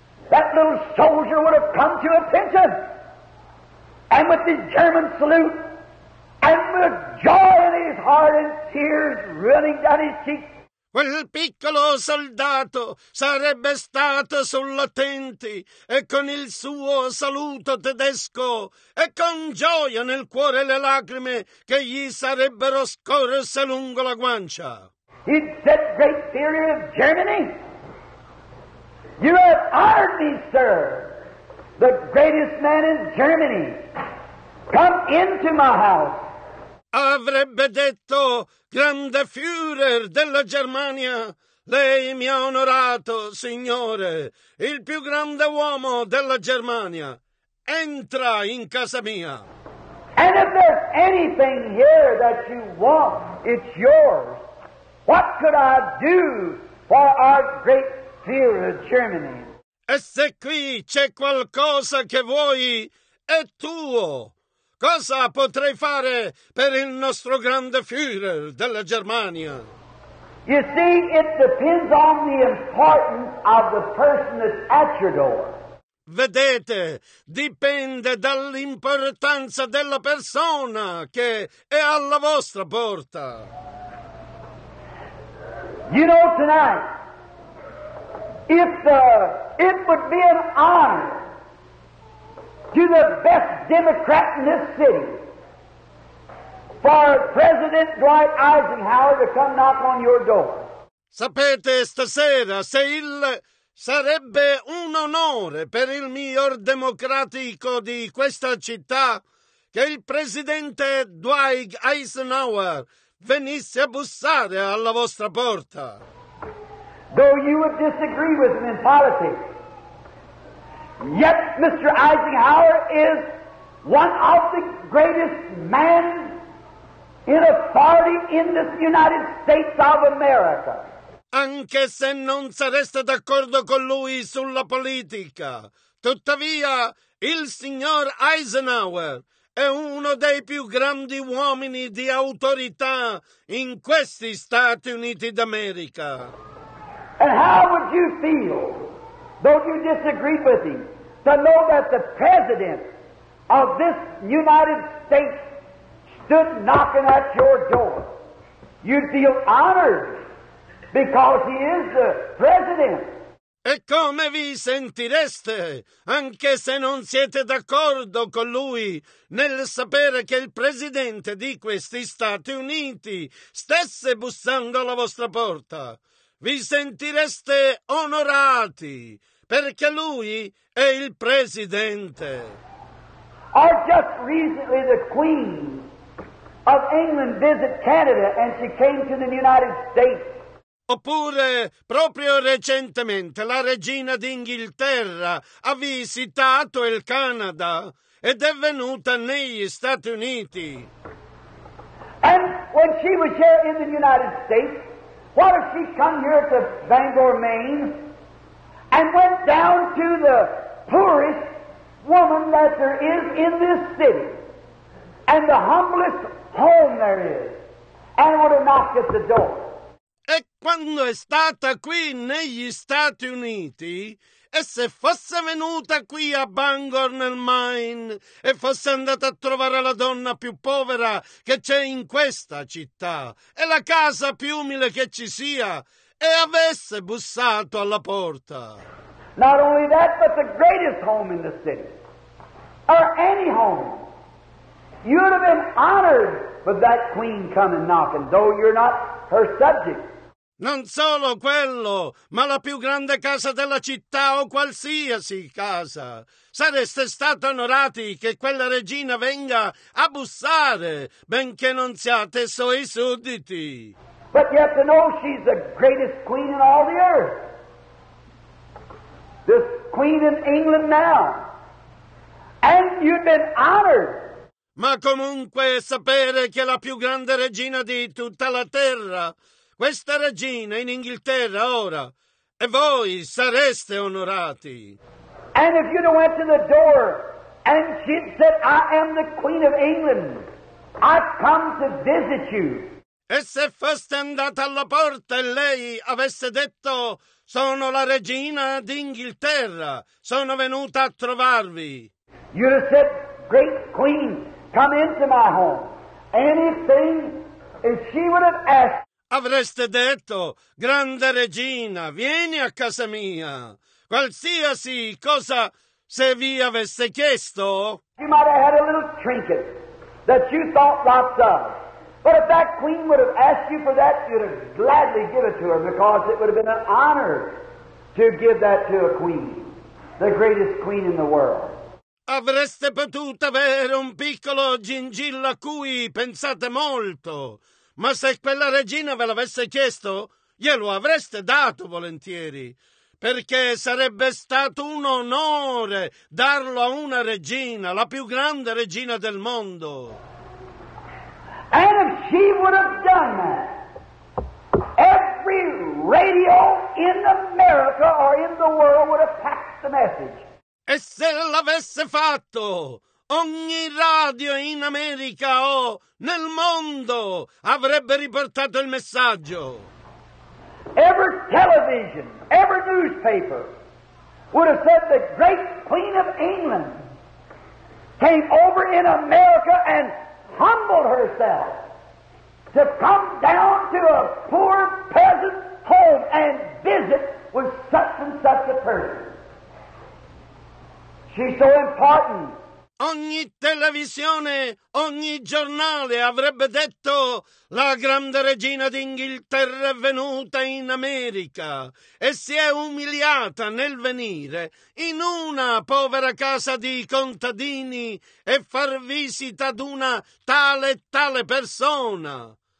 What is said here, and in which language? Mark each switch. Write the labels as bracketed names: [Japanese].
[English] That little soldier would have come to attention, and with his German salute, and with joy in his heart and tears running down his cheeks. [Italian] Quel piccolo soldato sarebbe stato sull'attenti e con il suo saluto tedesco e con gioia nel cuore e le lacrime che gli sarebbero scorse lungo la guancia. [English] He'd said, "Great theory of Germany, you have honored me, sir, the greatest man in Germany. Come into my house." [Italian] Avrebbe detto: "Grande Führer della Germania, lei mi ha onorato, Signore, il più grande uomo della Germania. Entra in casa mia." [English] And if there's anything here that you want, it's yours. What could I do for our great Führer of Germany? [Italian] E se qui c'è qualcosa che vuoi, è tuo. Cosa potrei fare per il nostro grande Führer della Germania? [English] You see, it depends on the importance of the person that's at your door. [Italian] Vedete, dipende dall'importanza della persona che è alla vostra porta. [English] You know, tonight, it would be an honor to the best Democrat in this city for President Dwight Eisenhower to come knock on your door. [Italian] Sapete, stasera, se il sarebbe un onore per il miglior democratico di questa città che il presidente Dwight Eisenhower venisse a bussare alla vostra porta. [English] Though you would disagree with him in politics, yet Mr. Eisenhower is one of the greatest men in authority in this United States of America. [Italian] Anche se non sareste d'accordo con lui sulla politica, tuttavia il signor Eisenhower è uno dei più grandi uomini di autorità in questi Stati Uniti d'America. [English] And how would you feel, though you disagree with him, to know that the President of this United States stood knocking at your door? You'd feel honored. Because he is the president. [Italian] E come vi sentireste, anche se non siete d'accordo con lui, nel sapere che il presidente di questi Stati Uniti stesse bussando alla vostra porta? Vi sentireste onorati, perché lui è il presidente. [English] Or just recently the Queen of England visited Canada and she came to the United States. [Italian] Oppure, proprio recentemente, la regina d'Inghilterra ha visitato il Canada ed è venuta negli Stati Uniti. [English] And when she was here in the United States, what if she come here to Bangor, Maine, and went down to the poorest woman that there is in this city, and the humblest home there is, and would have knocked at the door? [Italian] E quando è stata qui negli Stati Uniti, e se fosse venuta qui a Bangor nel Maine e fosse andata a trovare la donna più povera che c'è in questa città e la casa più umile che ci sia e avesse bussato alla porta. [English] Not only that, but the greatest home in the city, or any home, you would have been honored with that queen coming knocking, though you're not her subject. [Italian] Non solo quello, ma la più grande casa della città o qualsiasi casa. Sareste stati onorati che quella regina venga a bussare, benché non siate suoi sudditi. [English] But you have to know she's the greatest queen in all the earth. This queen in England now. And you've been honored. [Italian] Ma comunque sapere che la più grande regina di tutta la terra, questa regina in Inghilterra ora, e voi sareste onorati. [English] And if you'd have went to the door and she'd said, I am the Queen of England, I've come to visit you. [Italian] E se foste andata alla porta e lei avesse detto, sono la regina d'Inghilterra, sono venuta a trovarvi. [English] You'd have said, great queen, come into my home. Anything, if she would have asked. [Italian] Avreste detto, grande regina, vieni a casa mia. Qualsiasi cosa se vi avesse chiesto. [English] You might have had a little trinket that you thought lots of. But if that queen would have asked you for that, you'd have gladly given it to her because it would have been an honor to give that to a queen, the greatest queen in the world. [Italian] Avreste potuto avere un piccolo gingillo a cui pensate molto. Ma se quella regina ve l'avesse chiesto, glielo avreste dato volentieri, perché sarebbe stato un onore darlo a una regina, la più grande regina del mondo. [English] And if she would have done that, every radio in America or in the world would have passed the message. [Italian] E se l'avesse fatto, ogni radio in America o nel mondo avrebbe riportato il messaggio. [English] every television, every newspaper would have said the great Queen of England came over in America and humbled herself to come down to a poor peasant home and visit with such and such a person. She's so important. [Italian] Ogni televisione, ogni giornale avrebbe detto: la grande regina d'Inghilterra è venuta in America e si è umiliata nel venire in una povera casa di contadini e far visita ad una tale e tale persona.